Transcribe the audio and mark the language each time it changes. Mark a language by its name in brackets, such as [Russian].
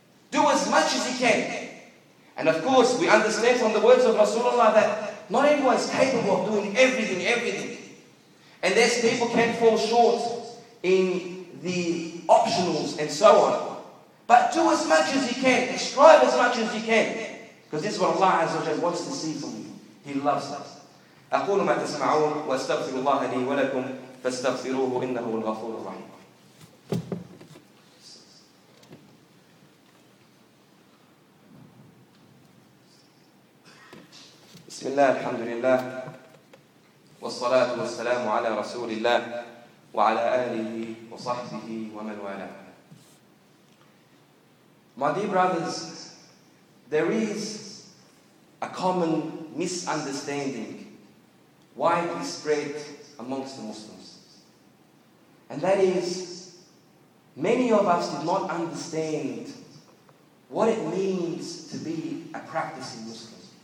[English] Do as much as you can. And of course, we understand from the words of Rasulullah that not everyone is capable of doing everything. And there's people can fall short in the optionals and so on. But do as much as you can. Strive as much as you can. Because this is what Allah Azza wa Jalla wants to see from you. He loves us. [Arabic] أقول ما تسمعون وأستغفر الله لي ولكم فاستغفروه إنه الغفور الرحيم. بسم الله الحمد لله والصلاة والسلام على رسول الله وعلى آله وصحبه ومن والاه. [English] My dear brothers, there is a common misunderstanding widely spread amongst the Muslims. And that is, many of us did not understand what it means to be a practicing Muslim.